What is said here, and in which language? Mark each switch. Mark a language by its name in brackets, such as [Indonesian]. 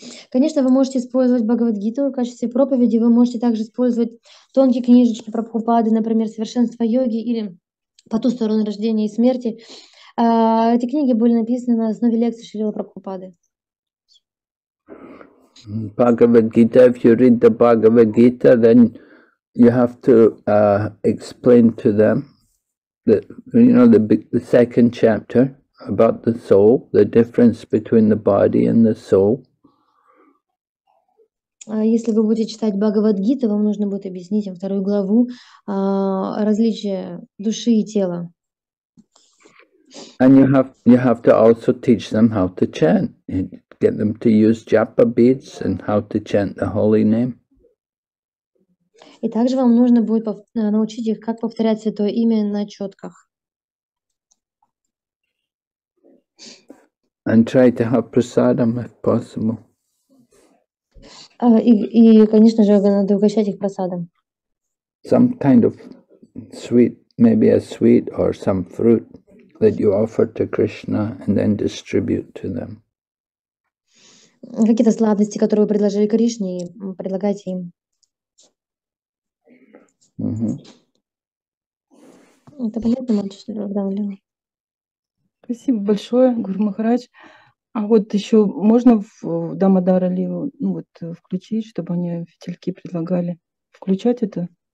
[Russian] Конечно, вы можете использовать Бхагавадгиту в качестве проповеди, вы можете также использовать тонкие книжечки Прабхупады, например, «Совершенство йоги» или «По ту сторону рождения и смерти». Эти книги были написаны на основе лекций Шрилы Прабхупады. [English] Бхагавадгита, if you read the Bhagavad-gita, then you have to explain to them the, you know, the second chapter. About the soul, the difference between the body and the soul. [Russian] Если вы будете читать Бхагавадгиту, вам нужно будет объяснить им вторую главу различия души и тела. [English] And you have to also teach them how to chant and get them to use japa beads and how to chant the holy name. [Russian] И также вам нужно будет научить их, как повторять святое имя на четках. [English] And try to have prasadam if possible. [Russian] И конечно же, надо угощать их прасадом. [English] Some kind of sweet, maybe a sweet or some fruit that you offer to Krishna and then distribute to them. [Russian] Какие-то сладости, которые вы предложили Кришне, и предлагайте им. Это понятно, мальчик. Спасибо большое, Гуру Махарадж. А вот еще можно в Дамодара Лилу, ну вот, включить, чтобы они фитильки предлагали включать это?